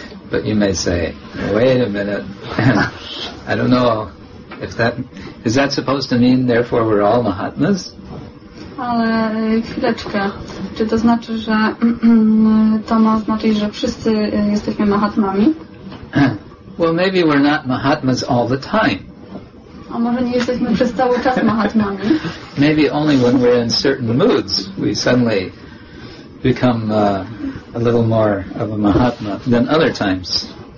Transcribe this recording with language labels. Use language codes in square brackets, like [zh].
[en] But you may say, wait a minute. I don't know if that is that supposed to mean therefore we're all mahatmas? [pl] Ale chwileczkę. Czy to znaczy, że to ma znaczyć, że wszyscy jesteśmy mahatmami? [en] Well, maybe we're not mahatmas all the time. [pl] A może nie jesteśmy przez cały czas mahatmami? [en] Maybe only when we're in certain moods we suddenly become a little more of a mahatma than other times.